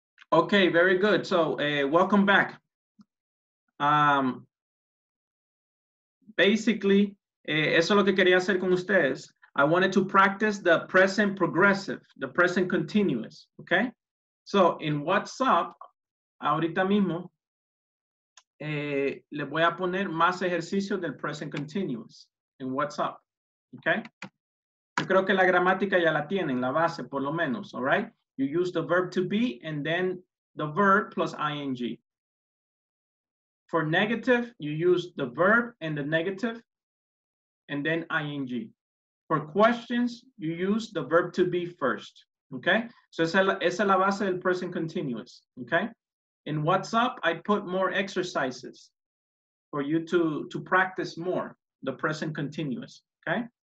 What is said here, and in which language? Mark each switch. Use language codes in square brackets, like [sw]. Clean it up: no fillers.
[en] Okay, very good. So, welcome back. [es] Basically, eso es lo que quería hacer con ustedes. [en] I wanted to practice the present progressive, the present continuous, okay? [es] So, in WhatsApp, ahorita mismo, le voy a poner más ejercicios del present continuous en WhatsApp, okay? Yo creo que la gramática ya la tienen, la base, por lo menos, [en] all right? You use the verb to be, and then the verb plus ing. For negative, you use the verb and the negative, and then ing. For questions, you use the verb to be first, okay? [es] So esa es la base del [en] present continuous, okay? In WhatsApp, I put more exercises for you to practice more, the present continuous, okay?